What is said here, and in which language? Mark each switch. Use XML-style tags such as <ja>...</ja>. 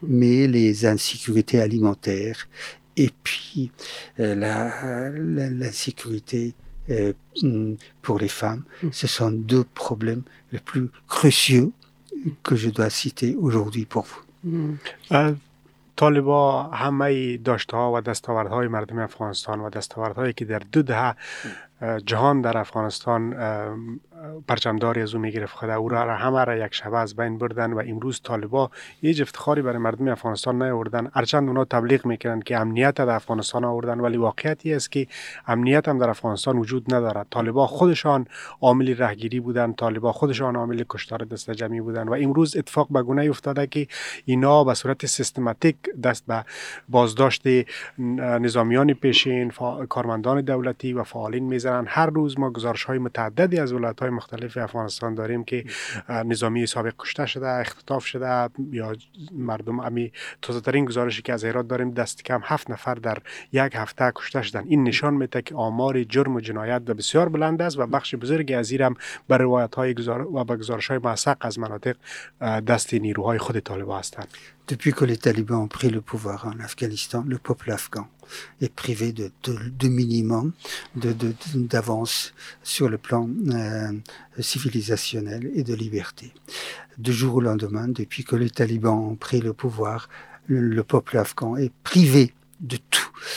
<fr>Mais les insécurités alimentaires et puis l'insécurité pour les femmes, mm-hmm. ce sont deux problèmes les plus cruciaux que je dois citer aujourd'hui pour vous. Mm-hmm.</fr> <fa>طالبا همه داشته‌ها و دستاوردهای مردم افغانستان و دستاوردهایی که در دو دهه جهان در افغانستان پرچمداری از او میگرفت خود او را همه را یک شبه از بین بردن و امروز طالبا هیچ افتخاری برای مردم افغانستان نیاوردن، هرچند اونا تبلیغ میکنن که امنیت در افغانستان آوردن، ولی واقعیتی است که امنیت هم در افغانستان وجود ندارد. طالبا خودشان عامل رهگیری بودند، طالبا خودشان عامل کشتار دست جمعی بودند و امروز اتفاق به گونه‌ای افتاده که اینا به صورت سیستماتیک دست به بازداشت نظامیان پیشین، کارمندان دولتی و فعالین میزنن. هر روز ما گزارش های متعددی از ولایت های مختلف افغانستان داریم که نظامی سابق کشته شده، اختطاف شده یا مردم. امی تازه ترین گزارشی که از هرات داریم دست کم 7 نفر در یک هفته کشته شدن. این نشان میده که آمار جرم و جنایت بسیار بلند است و بخش بزرگی از این هم بر روایت های و به گزارش های موثق از مناطق دست نیروهای خود طالبان هستند.</fa> <fr>Depuis que les talibans ont pris le pouvoir en Afghanistan, le peuple afghan est privé de minimum d'avance sur le plan civilisationnel et de liberté. Du jour au lendemain, depuis que les talibans ont pris le pouvoir, le peuple afghan est privé de tout.</fr>